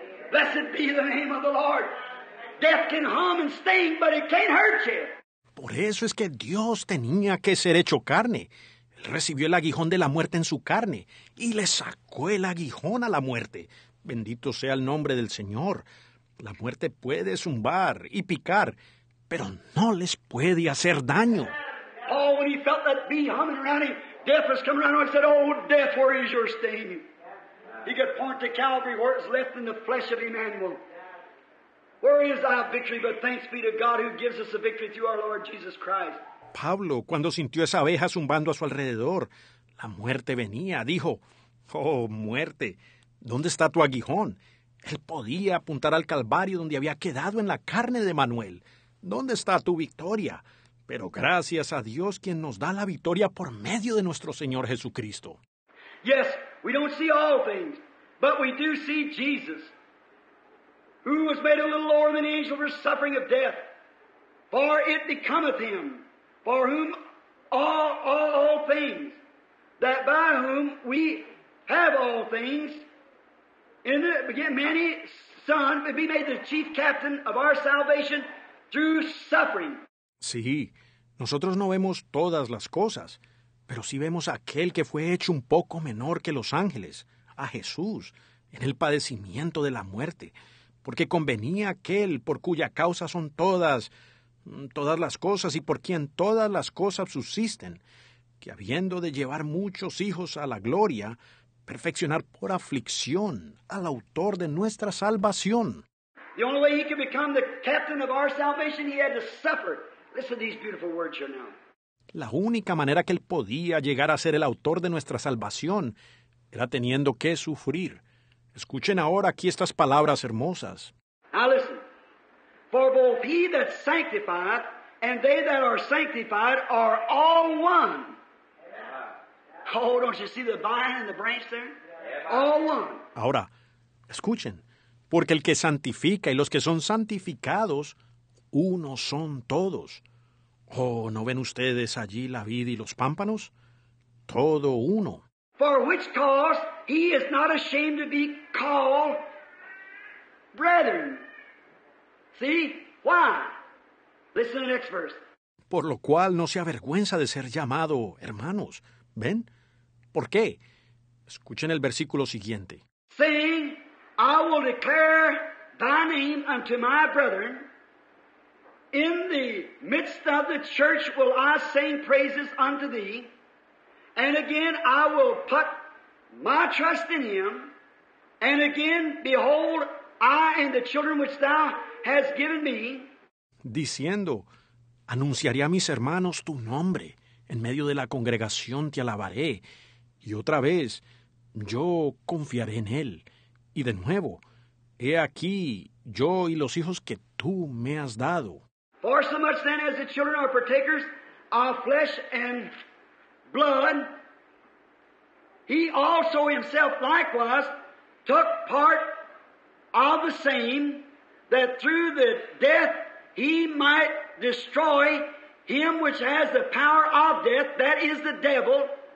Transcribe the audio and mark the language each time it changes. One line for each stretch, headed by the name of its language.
English: Blessed be the name of the Lord. Death can hum and sting, but it can't hurt you.
Spanish: Por eso es que Dios tenía que ser hecho carne. Él recibió el aguijón de la muerte en su carne y le sacó el aguijón a la muerte. Bendito sea el nombre del Señor. La muerte puede zumbar y picar, pero no les puede hacer daño.
English: Oh, when he felt that bee humming around him, death was coming around him. He said, oh, death, where is your sting? He could point to Calvary where it's left in the flesh of Emmanuel. Where is thy victory? But thanks be to God who gives us the victory through our Lord Jesus Christ.
Spanish: Pablo, cuando sintió esa abeja zumbando a su alrededor, la muerte venía. Dijo, oh, muerte, ¿dónde está tu aguijón? Él podía apuntar al Calvario donde había quedado en la carne de Manuel. ¿Dónde está tu victoria? Pero gracias a Dios quien nos da la victoria por medio de nuestro Señor Jesucristo.
English: Yes, we don't see all things, but we do see Jesus, who was made a little lower than angel for suffering of death, for it becometh him. For whom all things, that by whom we have all things, in the beginning, many son be made the chief captain of our salvation through suffering.
Spanish: Sí, nosotros no vemos todas las cosas, pero sí vemos a aquel que fue hecho un poco menor que los ángeles, a Jesús, en el padecimiento de la muerte, porque convenía aquel por cuya causa son todas las cosas y por quien todas las cosas subsisten, que habiendo de llevar muchos hijos a la gloria, perfeccionar por aflicción al autor de nuestra salvación.
English: The only way he could become the captain of our salvation, he had to suffer. Listen to these beautiful words here now.
Spanish: La única manera que él podía llegar a ser el autor de nuestra salvación era teniendo que sufrir. Escuchen ahora aquí estas palabras hermosas.
English: Now listen. For both he that sanctifieth and they that are sanctified are all one. Oh, don't you see the vine and the branch there? All one.
Spanish: Ahora, escuchen. Porque el que santifica y los que son santificados, uno son todos. Oh, ¿no ven ustedes allí la vid y los pámpanos? Todo uno.
English: For which cause he is not ashamed to be called brethren. See? Why? Listen to the next verse.
Spanish: Por lo cual no se avergüenza de ser llamado hermanos. ¿Ven? ¿Por qué? Escuchen el versículo siguiente.
English: Saying, I will declare thy name unto my brethren. In the midst of the church will I sing praises unto thee. And again I will put my trust in him. And again, behold, I and the children which thou has given me.
Spanish: Diciendo, anunciaré a mis hermanos tu nombre. En medio de la congregación te alabaré. Y otra vez, yo confiaré en él. Y de nuevo, he aquí yo y los hijos que tú me has dado.
English: For so much then as the children are partakers of flesh and blood, he also himself likewise took part of the same, that through the death he might destroy him which has the power of death, that is the devil,